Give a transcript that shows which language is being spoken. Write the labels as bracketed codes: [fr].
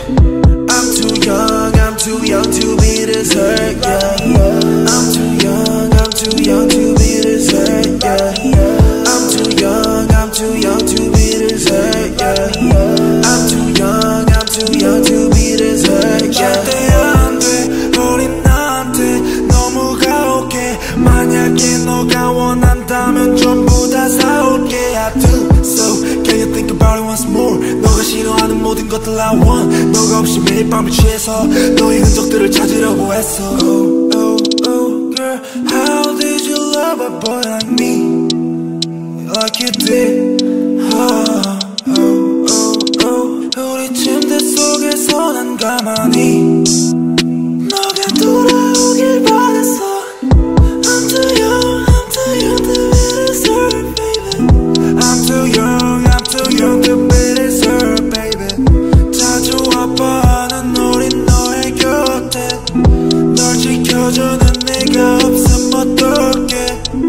[en] young to be this hurt, yeah. I'm too young to be this hurt, yeah. I'm too young to be this hurt, yeah. I'm too young to be this hurt, yeah. [ko] 반대안 돼, 우린 안 돼, 너무 가혹해. 만약에 너가 원한다면 전부 다 사올게. [en] I do so, can you think about it once more? [ko] 너가 싫어하는 모든 것들 [en] I want. [ko] 너가 없이 매일 밤을 취해서 너의 흔적들을 찾으려고 했어. [en] Oh, oh, oh, girl, how did you love a boy like me? Like you did, oh, oh, oh, oh. [ko] 우리 침대 속에서 난 가만히 너가 돌아오길 바랬어. [en] I'm too young to be this hurt, baby. I'm too young to be this hurt, baby. [ko] 자주 아파하는 우리 너의 곁에 널 지켜주는 네가 없음 어떡해.